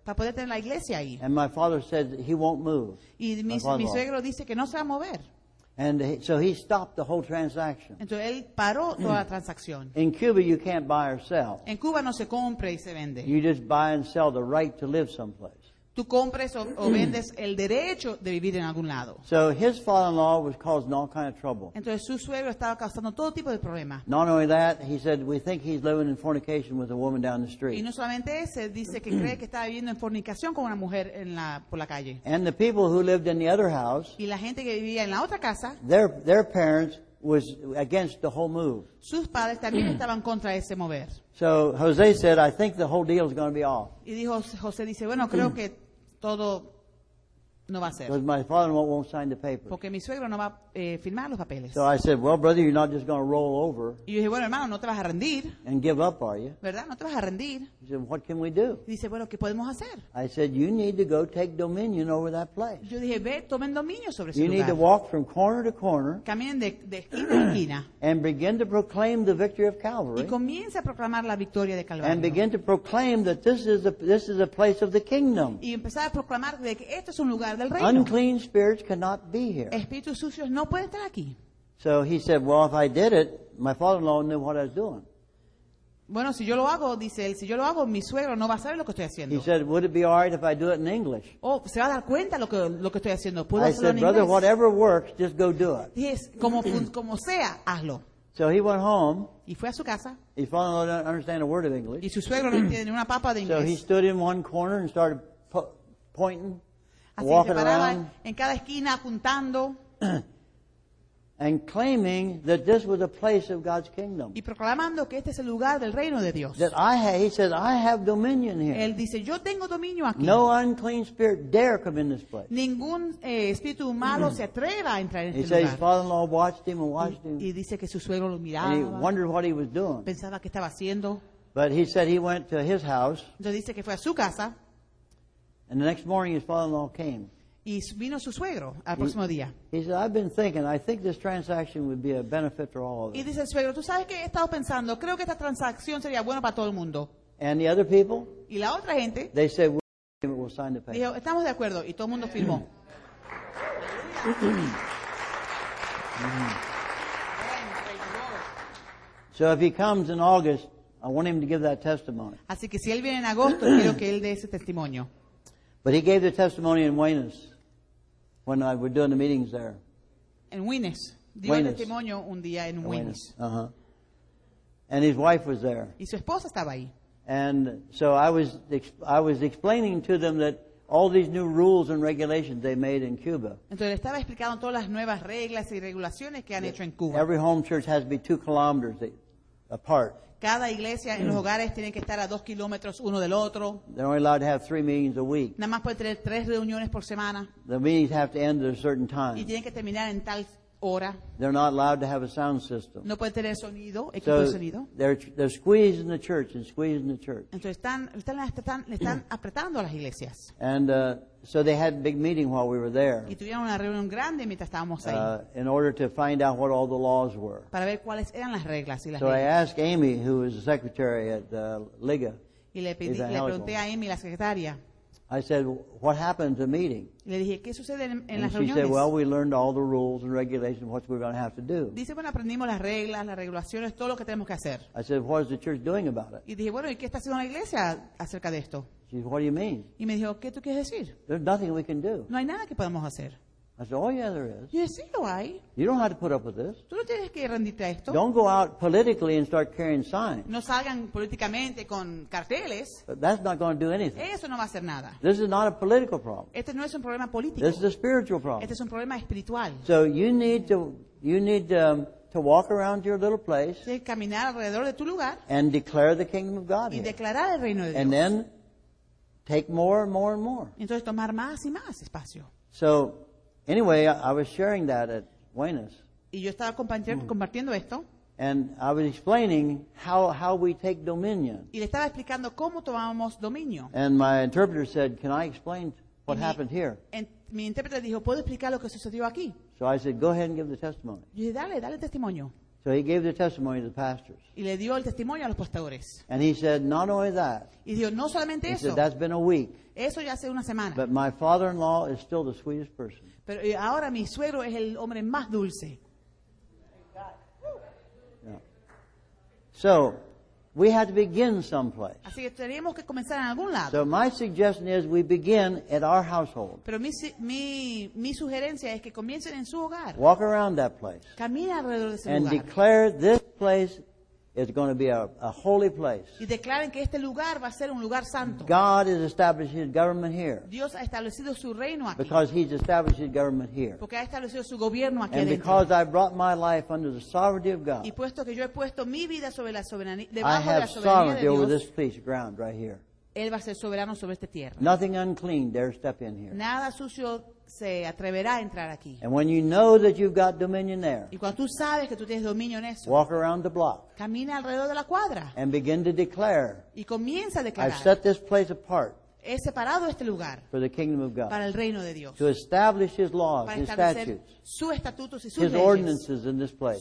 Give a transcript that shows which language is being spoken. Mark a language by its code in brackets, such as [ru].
[es] Para poder tener la iglesia ahí. [en] And my father said he won't move. [es] Y mi suegro dice que no se va a mover. [en] And so he stopped the whole transaction. [es] Entonces él paró toda la transacción. [en] In Cuba, you can't buy or sell. [es] En Cuba no se compra y se vende. [en] You just buy and sell the right to live someplace. [es] tú compres o vendes el derecho de vivir en algún lado. [en] So his father-in-law was causing all kind of trouble. [es] Entonces su suegro estaba causando todo tipo de problema. [en] Not only that, he said we think he's living in fornication with a woman down the street. [es] Y no solamente ese, dice que cree que está viviendo en fornicación con una mujer en la por la calle. [en] And the people who lived in the other house. [es] Y la gente que vivía en la otra casa. [en] Their parents was against the whole move. [es] Sus padres también estaban contra ese mover. [en] So Jose said, I think the whole deal is going to be off. [es] Y dijo, José dice, bueno, creo que todo no va a ser. [en] Because my father-in-law won't sign the papers. [es] Porque mi suegro no va firmar los papeles. [en] So I said, well, brother, you're not just going to roll over. [es] Y yo dije, bueno, hermano, no te vas a rendir. [en] And give up, are you? [es] ¿Verdad? No te vas a rendir. [en] He said, what can we do? [es] Y dice, bueno, ¿qué podemos hacer? [en] I said, you need to go take dominion over that place. [es] Yo dije, ve, tomen dominio sobre ese lugar. [en] You need to walk from corner to corner. [es] Caminen de esquina a esquina. [en] And begin to proclaim the victory of Calvary. [es] Y comienza a proclamar la victoria de Calvario. [en] And begin to proclaim that this is a place of the kingdom. [es] Y empezar a proclamar de que esto es un lugar. [en] Unclean spirits cannot be here. [es] Espíritus sucios no pueden estar aquí. [en] So he said, well, if I did it, my father-in-law knew what I was doing. [es] Bueno, si yo lo hago, dice él, si yo lo hago, mi suegro no va a saber lo que estoy haciendo. [en] He said, would it be all right if I do it in English? [es] Oh, se va a dar cuenta lo que estoy haciendo. ¿Puedo [en] I [es] hacerlo [en] said, [es] en [en] brother, [es] inglés? [en] Whatever works, just go do it. [es] Yes, como sea, hazlo. [en] So he went home. [es] Y fue a su casa. [en] His father-in-law didn't understand a word of English. [es] Y su suegro no entiende ni una papa de inglés. [en] So he stood in one corner and started pointing. [es] Así [en] walking [es] se paraba [en] around, [es] en cada esquina apuntando [en] and claiming that this was a place of God's kingdom. [es] Y proclamando que este es el lugar del reino de Dios. [en] That he said, I have dominion here. [es] Él dice, yo tengo dominio aquí. [en] No unclean spirit dare come in this place. [es] Ningún espíritu malo se atreva a entrar en este [en] he [es] lugar. [en] He said his father-in-law watched him and watched him. [es] Y dice que su suegro lo miraba. [en] And he wondered what he was doing. [es] Pensaba qué estaba haciendo. [en] But he said he went to his house. [es] Entonces dice que fue a su casa. [en] And the next morning his father-in-law came. [es] Y vino su suegro al próximo día. [en] He said, I've been thinking, I think this transaction would be a benefit for all of us. [es] Y dice el suegro, tú sabes que he estado pensando, creo que esta transacción sería buena para todo el mundo. [en] And the other people? [es] Y la otra gente? [en] They said, we'll sign the paper. [es] Dijo, estamos de acuerdo, y todo el mundo firmó. [en] So if he comes in August, I want him to give that testimony. [es] Así que si él viene en agosto, quiero que él dé ese testimonio. [en] But he gave the testimony in Waynes when I were doing the meetings there. [es] En Waynes. Dio el testimonio un día en Waynes. [en] And his wife was there. [es] Y su esposa estaba ahí. [en] And so I was explaining to them that all these new rules and regulations they made in Cuba. [es] Entonces estaba explicando todas las nuevas reglas y regulaciones que han hecho en Cuba. [en] Every home church has to be 2 kilometers apart. [es] Cada iglesia en los hogares tiene que estar a 2 kilómetros uno del otro. [en] They're only allowed to have 3 meetings a week. [es] Nada más puede tener 3 reuniones por semana. [en] The meetings have to end at a certain time. [es] Y tienen que terminar en tal hora. [en] They're not allowed to have a sound system. [es] No puede tener sonido, equipo de sonido. [en] They're squeezing the church and squeezing the church. [es] Entonces están apretando a las iglesias. [en] And so they had a big meeting while we were there. [es] Y tuvieron una reunión grande mientras estábamos ahí. [en] In order to find out what all the laws were. [es] Para ver cuáles eran las reglas y las [en] so [es] reglas. [en] I asked Amy, who was the secretary at Liga. [es] Y le pregunté a Amy, la secretaria. [en] I said, what happened to the meeting? [es] Le dije, ¿qué sucede en las [en] she Said, well, we learned all the rules and regulations, what we're going to have to do. [es] Dice, bueno, aprendimos las reglas, las regulaciones, todo lo que tenemos que hacer. [en] I said, what is the church doing about it? [es] Y dije, bueno, ¿y qué está haciendo la iglesia acerca de esto? [en] She said, what do you mean? [es] Y me dijo, ¿qué tú quieres decir? [en] There's nothing we can do. [es] No hay nada que podamos hacer. [en] I said, oh, yeah, there is. [es] Yes, sí, lo hay. [en] You don't have to put up with this. [es] Tú no tienes que rendirte a esto. [en] Don't go out politically and start carrying signs. [es] No salgan políticamente con carteles. [en] But that's not going to do anything. [es] Eso no va a hacer nada. [en] This is not a political problem. [es] Este no es un problema político. [en] This is a spiritual problem. [es] Este es un problema espiritual. [en] So you need to walk around your little place. [es] Tienes que caminar alrededor de tu lugar. [en] And declare the kingdom of God. [es] Y declarar el reino de Dios. [en] And then take more and more and more. [es] Entonces tomar más y más espacio. [en] So anyway, I was sharing that at Buenos. [es] Y yo estaba compartiendo esto. [en] And I was explaining how we take dominion. [es] Y le estaba explicando cómo tomamos dominio. [en] And my interpreter said, "Can I explain what happened here?" [es] Mi intérprete dijo, "¿Puedo explicar lo que sucedió aquí?" [en] So I said, "Go ahead and give the testimony." [es] Y dije, dale testimonio. [en] So he gave the testimony to the pastors. [es] Y le dio el testimonio a los pastores. [en] And he said, "Not only that." [es] Y dijo, "No solamente [en] he [es] eso." [en] He said, "That's been a week." [es] Eso ya hace una semana. [en] But my father-in-law is still the sweetest person. [es] Pero ahora mi suegro es el hombre más dulce. [en] Yeah. So, We had to begin someplace. [es] Así que teníamos que comenzar en algún lado. [en] So my suggestion is we begin at our household. [es] Pero mi sugerencia es que comiencen en su hogar. [en] Walk around that place. [es] Camina alrededor de ese lugar. [en] And declare this place is going to be a holy place. [es] Y declaren que este lugar va a ser un lugar santo. [en] God has established his government here. [es] Dios ha establecido su reino aquí. [en] Because he's established his government here. [es] Porque ha establecido su gobierno aquí. [en] And adentro. Because I brought my life under the sovereignty of God. [es] Y puesto que yo he puesto mi vida sobre la soberanía, debajo de la soberanía de Dios. [en] I have sovereignty over this piece of ground right here. [es] Él va a ser soberano sobre esta tierra. [en] Nothing unclean dare step in here. [es] Nada sucio se atreverá a entrar aquí. [en] And when you know that you've got dominion there, [es] y cuando tú sabes que tú tienes dominio en eso, [en] walk around the block. [es] Camina alrededor de la cuadra. [en] And begin to declare, [es] y comienza a declarar. [en] I've set this place apart. [es] He separado este lugar [en] for the kingdom of God, [es] para el reino de Dios. [en] To establish his laws, his statutes, [es] su estatutos y sus [en] his [es] leyes, [en] ordinances in this place.